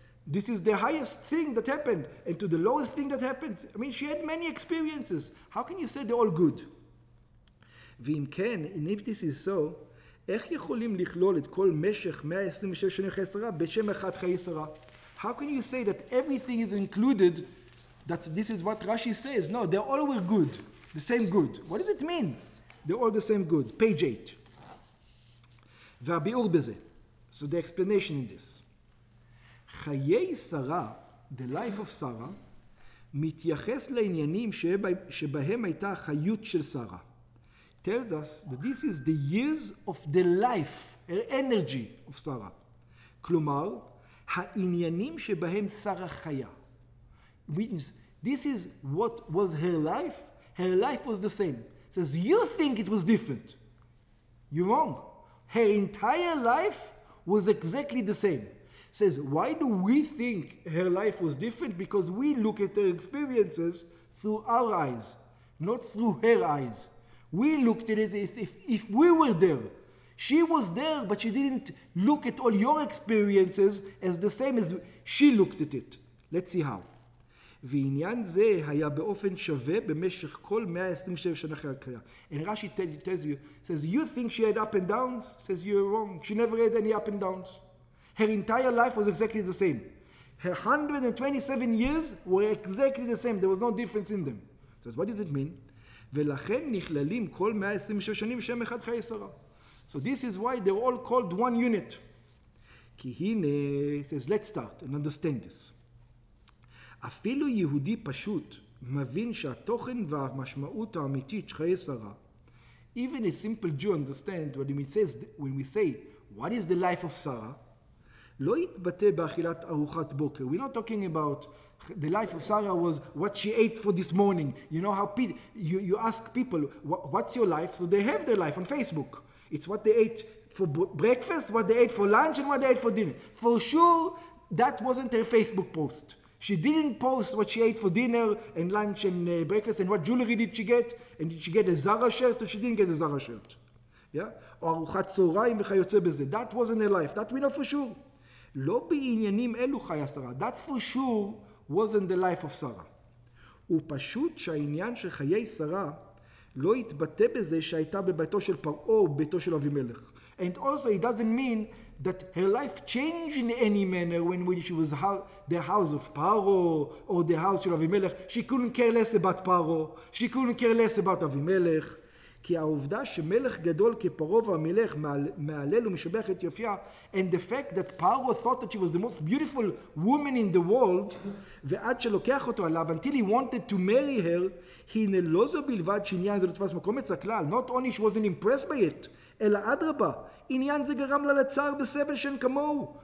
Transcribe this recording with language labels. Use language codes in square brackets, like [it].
[en] this is the highest thing that happened and to the lowest thing that happened I mean she had many experiences how can you say they're all good [he] ואם כן, [en] and if this is so, [he] איך יכולים לכלול את כל משך 126 שנים חיי שרה [en] בשם אחד חיי שרה? How can you say that everything is included, that this is what Rashi says? No, they all were good, the same good. What does it mean? They're all the same good. Page 8. [he] והביאור בזה. [en] So the explanation in this. [he] חיי שרה, [en] the life of [he] שרה, מתייחס לעניינים שבהם הייתה החיות של שרה. [en] Tells us that this is the years of the life, her energy of Sarah. [he] Klumar, ha'inyanim shebahem Sarah chaya. [en] Means this is what was her life. Her life was the same. Says you think it was different. You're wrong. Her entire life was exactly the same. Says why do we think her life was different? Because we look at her experiences through our eyes, not through her eyes. We looked at it as if we were there. She was there, but she didn't look at all your experiences as the same as she looked at it. Let's see how. [he] ועניין זה היה באופן שווה במשך כל 127 שנה אחרי הקריאה. [en] And Rashi tells you, says, you think she had up and downs? Says, you're wrong. She never had any up and downs. Her entire life was exactly the same. Her 127 years were exactly the same. There was no difference in them. Says, what does it mean? [he] ולכן נכללים כל 127 שנים שם אחד חיי שרה. [en] So this is why they're all called one unit. [he] כי הנה, [en] says, let's start and understand this. [he] אפילו יהודי פשוט מבין שהתוכן והמשמעות האמיתית של חיי שרה. [en] Even a simple Jew understand what it says when we say, what is the life of Sarah? [he] לא יתבטא באכילת ארוחת בוקר. [en] We're not talking about the life of Sarah was what she ate for this morning. You know how you ask people, what's your life? So they have their life on Facebook. It's what they ate for breakfast, what they ate for lunch, and what they ate for dinner. For sure, that wasn't her Facebook post. She didn't post what she ate for dinner and lunch and breakfast and what jewelry did she get, and did she get a Zara shirt or she didn't get a Zara shirt. Yeah? [he] Or ארוחת צהריים וכיוצא בזה. [en] That wasn't her life. That we know for sure. [he] לא בעניינים אלו חיה שרה. [en] That's for sure. Wasn't the life of Sarah. [he] ופשוט שהעניין של חיי שרה לא התבטא בזה שהייתה בביתו של פרעה או ביתו של אבימלך. [en] And also it doesn't mean that her life changed in any manner when she was the house of Paro or the house של אבימלך. She couldn't care less about Paro. She couldn't care less about אבימלך. [he] כי העובדה שמלך גדול כפרעה ואבימלך מעלל ומשבח את יופייה, [en] and the fact that Paro thought that she was the most beautiful woman in the world, [he] ועד שלוקח אותו עליו, [en] until he wanted to marry her, [he] הנה לא זו בלבד שעניין זה לא תפס מקום אצל הכלל, [en] not only she wasn't impressed by it, [he] אלא אדרבה, עניין זה גרם לה לצער וסבל שאין כמוהו.